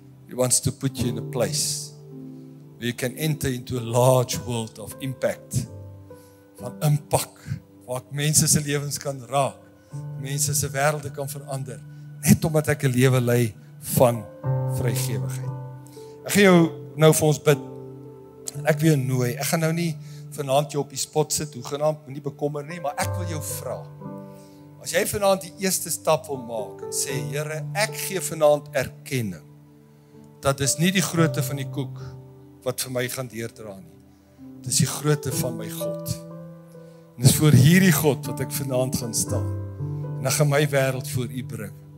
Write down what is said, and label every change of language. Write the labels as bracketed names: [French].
[English] He wants to put you in a place where you can enter into a large world of impact. [Afrikaans] Van impak, waar ek mense se lewens kan raak, mense se wêrelde kan verander, net omdat ek 'n lewe lei van vrygewigheid. Ek gaan jou nou vir ons bid. Ek wil jou nooi. Ek gaan nou nie vanaand jou op die spot sit, hoegenaamd, moenie bekommer nie, maar ek wil jou vra. As jy vanaand die eerste stap wil maak en sê, Here, ek gee vanaand erkenning dat dis nie die grootte van die koek wat vir my gaan deurdra nie. Dis die grootte van my God. En dis voor hierdie God wat ek vanaand gaan staan. En ek gaan my wêreld voor U bring.